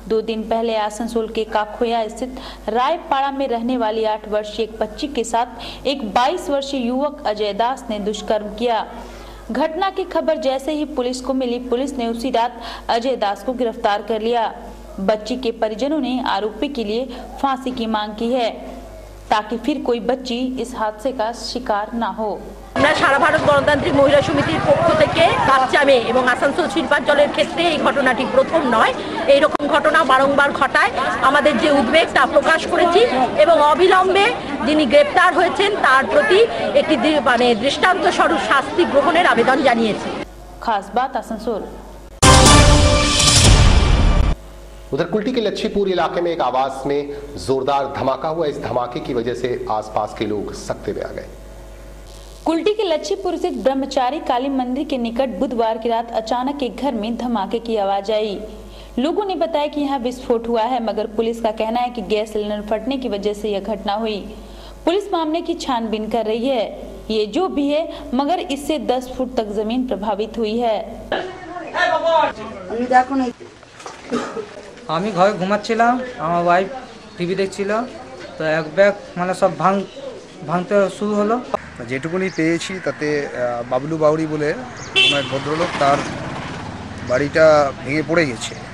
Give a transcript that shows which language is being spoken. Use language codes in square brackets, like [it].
[hi] 2 दिन पहले आसनसोल के काखोया स्थित रायपाड़ा में रहने वाली 8 वर्षीय एक बच्ची के साथ एक 22 वर्षीय युवक अजय दास ने दुष्कर्म किया। घटना की खबर जैसे ही पुलिस को मिली, पुलिस ने उसी रात अजय दास को गिरफ्तार कर लिया। बच्ची के परिजनों ने आरोपी के लिए फांसी की मांग की है ताकि फिर कोई बच्ची इस हादसे का शिकार ना हो। [bn] সারা ভারত গণতান্ত্রিক মহিলা সমিতির পক্ষ থেকে বাচ্চা মেয়ে এবং আসানসোল শিল্পাঞ্চলের ক্ষেত্রে এই ঘটনাটি প্রথম নয়। এই রকম ঘটনা বারংবার ঘটায় আমাদের যে উদ্বেগ তা প্রকাশ করেছি এবং অবিলম্বে যিনি গ্রেপ্তার হয়েছেন তার প্রতি একটি মানে দৃষ্টান্ত স্বরূপ শাস্তি গ্রহণের আবেদন জানিয়েছি। খাস বাত আসানসোল। [hi] उधर कुल्टी के लच्छीपुर इलाके में एक आवास में जोरदार धमाका हुआ। इस धमाके की वजह से आसपास के लोग सकते में आ गए। कुल्टी के लच्छीपुर स्थित ब्रह्मचारी काली मंदिर के निकट बुधवार की रात अचानक एक घर में धमाके की आवाज आई। लोगों ने बताया कि यहां विस्फोट हुआ है, मगर पुलिस का कहना है कि गैस सिलेंडर फटने की वजह से यह घटना हुई। पुलिस मामले की छानबीन कर रही है। ये जो भी है मगर इससे 10 फुट तक जमीन प्रभावित हुई है। [bn] আমি ঘরে ঘুমাচ্ছিলাম, আমার ওয়াইফ টিভি দেখছিল, তো এক ব্যাগ মানে সব ভাঙতে শুরু হলো। যেটুকুনি পেয়েছি তাতে বাবলু বাউরি বলে কোনো এক ভদ্রলোক তার বাড়িটা ভেঙে পড়ে গেছে।